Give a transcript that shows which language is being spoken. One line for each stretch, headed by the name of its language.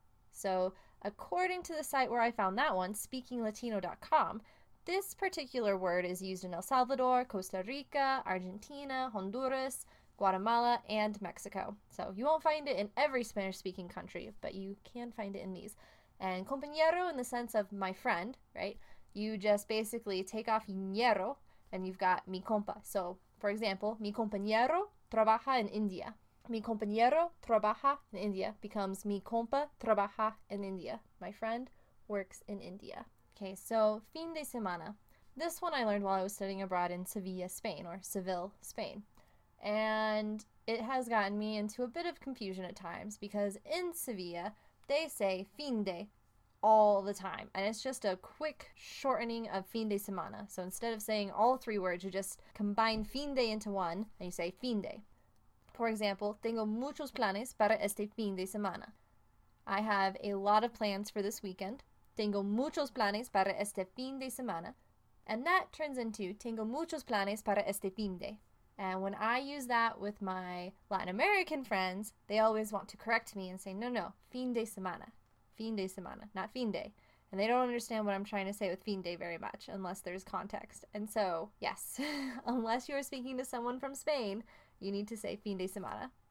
English: So according to the site where I found that one, speakinglatino.com, this particular word is used in El Salvador, Costa Rica, Argentina, Honduras, Guatemala, and Mexico. So you won't find it in every Spanish-speaking country, but you can find it in these. And compañero in the sense of my friend, right? You just basically take off ñero and you've got
Spanish: mi compa.
English: So for example,
Spanish: mi compañero trabaja en India. Mi compañero trabaja en India becomes mi compa trabaja en India.
English: My friend works in India. Okay, so fin de semana. This one I learned while I was studying abroad in Sevilla, Spain, or Seville, Spain. And it has gotten me into a bit of confusion at times because in Sevilla, they say fin de all the time. And it's just a quick shortening of fin de semana. So instead of saying all three words, you just combine fin de into one and you say fin de. For example,
Spanish: tengo muchos planes para este fin de semana.
English: I have a lot of plans for this weekend.
Spanish: Tengo muchos planes para este fin de semana.
English: And that turns into
Spanish: tengo muchos planes para este fin de.
English: And when I use that with my Latin American friends, they always want to correct me and say, no, no, fin de semana, not fin de. And they don't understand what I'm trying to say with fin de very much, unless there's context. And so, yes, unless you're speaking to someone from Spain, you need to say fin de semana.